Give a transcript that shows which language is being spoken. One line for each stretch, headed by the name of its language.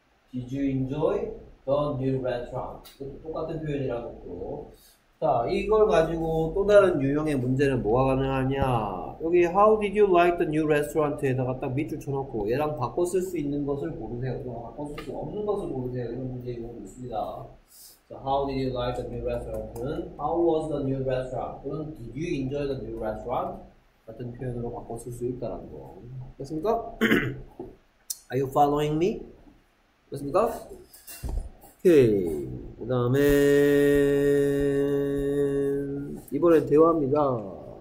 English: Did you enjoy the new restaurant?
Korean: 똑같은 표현이라고 또. 자, 이걸 가지고 또 다른 유형의 문제는 뭐가 가능하냐. 여기
English: How did you like the new restaurant?
Korean: 에다가 딱 밑줄 쳐놓고 얘랑 바꿔 쓸 수 있는 것을 고르세요. 바꿔 쓸 수 없는 것을 고르세요. 이런 문제의 경우도 있습니다.
English: So, how did you like the new restaurant?은 How was the new restaurant?
Korean: 또는
English: Did you enjoy the new restaurant?
Korean: 같은 표현으로 바꿔 쓸 수 있다라는 거. 됐습니까?
English: Are you following me?
Korean: 됐습니까? 오케이. 그 다음에, 이번에 대화입니다.